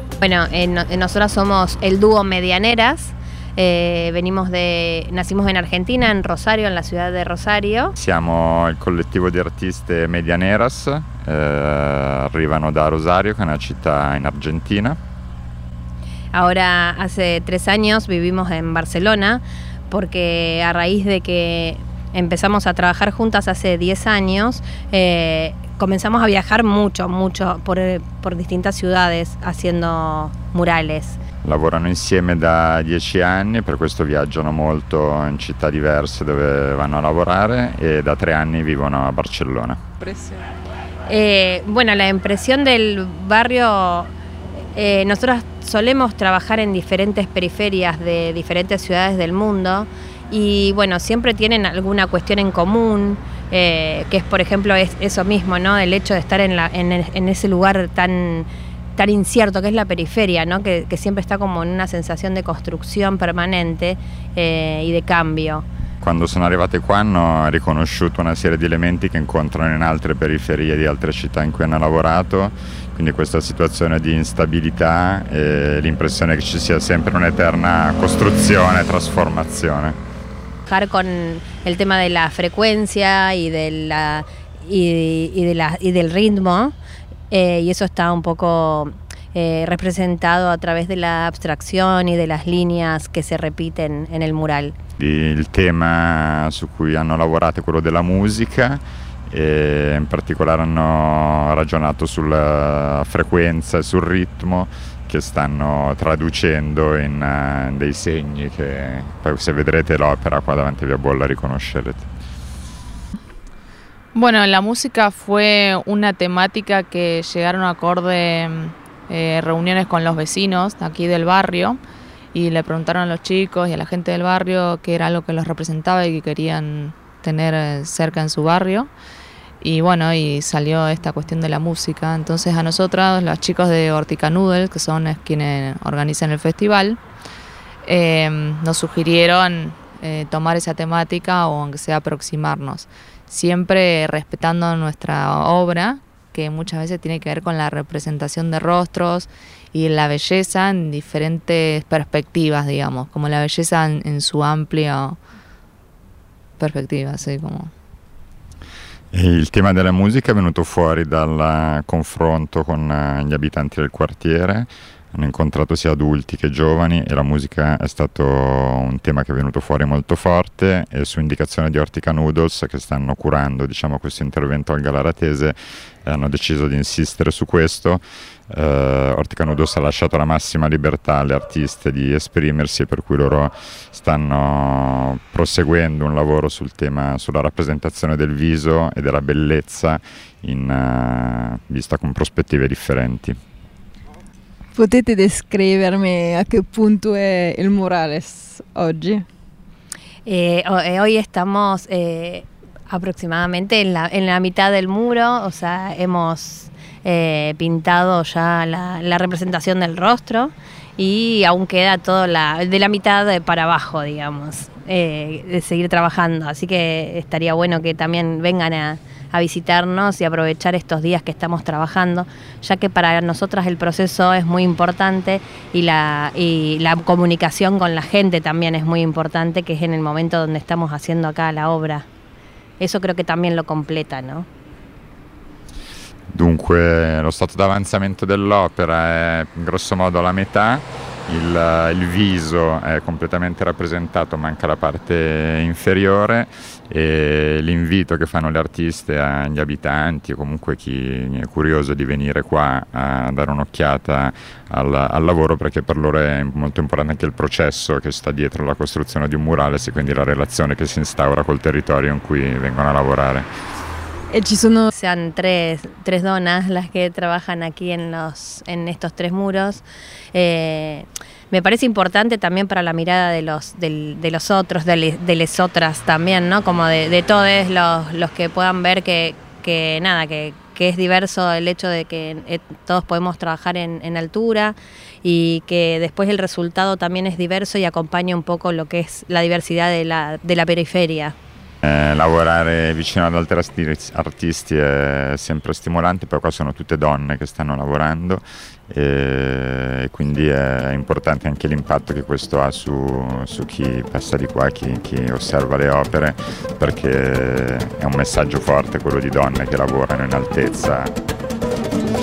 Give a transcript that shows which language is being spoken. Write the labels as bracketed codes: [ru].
[es] Bueno, nosotras somos el dúo Medianeras. Nacimos en Argentina, en Rosario, en la ciudad de Rosario. [it] Siamo il collettivo di artiste Medianeras, arrivano da Rosario, che è una città in Argentina. [es] Ahora hace 3 años vivimos en Barcelona, porque a raíz de que empezamos a trabajar juntas hace 10 años, comenzamos a viajar mucho por distintas ciudades haciendo murales. [it] Lavorano insieme da 10 anni, per questo viaggiano molto in città diverse dove vanno a lavorare, e da 3 anni vivono a Barcellona. [es] Bueno, la impresión del barrio, nosotros solemos trabajar en diferentes periferias de diferentes ciudades del mundo, y bueno, siempre tienen alguna cuestión en común, que es, por ejemplo, eso mismo, ¿no? El hecho de estar en ese lugar tan incierto que es la periferia, ¿no? Que siempre está como en una sensación de construcción permanente y de cambio. [it] Quando sono arrivate qua hanno riconosciuto una serie di elementi che incontrano in altre periferie di altre città in cui hanno lavorato, quindi questa situazione di instabilità e l'impressione che ci sia sempre un'eterna costruzione, trasformazione. Con il tema della frequenza e del ritmo, e [es] eso [it] sta un poco rappresentato [es] a través [it] della abstrazione e delle linee che si ripetono nel mural. Il tema su cui hanno lavorato è quello della musica, e in particolare hanno ragionato sulla frequenza e sul ritmo che stanno traducendo in dei segni che poi, se vedrete l'opera qua davanti a Via Bolla, riconoscerete. [es] Bueno, la música fue una temática que llegaron a acorde reuniones con los vecinos aquí del barrio, y le preguntaron a los chicos y a la gente del barrio qué era lo que los representaba y que querían tener cerca en su barrio. Y bueno, y salió esta cuestión de la música. Entonces a nosotras, los chicos de Hortica Noodles, que son quienes organizan el festival, nos sugirieron tomar esa temática, o aunque sea aproximarnos, siempre respetando nuestra obra, que muchas veces tiene que ver con la representación de rostros y la belleza en diferentes perspectivas, digamos, como la belleza en su amplia perspectiva, así como. [it] Il tema della musica è venuto fuori dal confronto con gli abitanti del quartiere. Hanno incontrato sia adulti che giovani, e la musica è stato un tema che è venuto fuori molto forte, e su indicazione di Hortica Noodles, che stanno curando, diciamo, questo intervento al Galaratese, hanno deciso di insistere su questo. Hortica Noodles ha lasciato la massima libertà alle artiste di esprimersi, per cui loro stanno proseguendo un lavoro sul tema, sulla rappresentazione del viso e della bellezza vista con prospettive differenti. Potete descrivermi a che punto è il murales oggi? [es] Hoy estamos aproximadamente en la mitad del muro, o sea, hemos pintado ya la representación del rostro, y aún queda todo de la mitad para abajo, digamos, de seguir trabajando. Así que estaría bueno que también vengan a visitarnos y aprovechar estos días que estamos trabajando, ya que para nosotras el proceso es muy importante, y la comunicación con la gente también es muy importante, que es en el momento donde estamos haciendo acá la obra. Eso creo que también lo completa, ¿no? [it] Dunque, lo stato d'avanzamento dell'opera è in grosso modo la metà. Il viso è completamente rappresentato, manca la parte inferiore, e l'invito che fanno le artiste agli abitanti, o comunque chi è curioso, di venire qua a dare un'occhiata al lavoro, perché per loro è molto importante anche il processo che sta dietro la costruzione di un murales, e quindi la relazione che si instaura col territorio in cui vengono a lavorare. Ci sono, [es] sean tres donas las que trabajan aquí en estos tres muros. Me parece importante también para la mirada de los otros, de les otras también, ¿no? Como de todos los que puedan ver que es diverso el hecho de que todos podemos trabajar en altura y que después el resultado también es diverso y acompaña un poco lo que es la diversidad de la periferia. [it] Lavorare vicino ad altri artisti è sempre stimolante, però qua sono tutte donne che stanno lavorando e quindi è importante anche l'impatto che questo ha su chi passa di qua, chi osserva le opere, perché è un messaggio forte quello di donne che lavorano in altezza.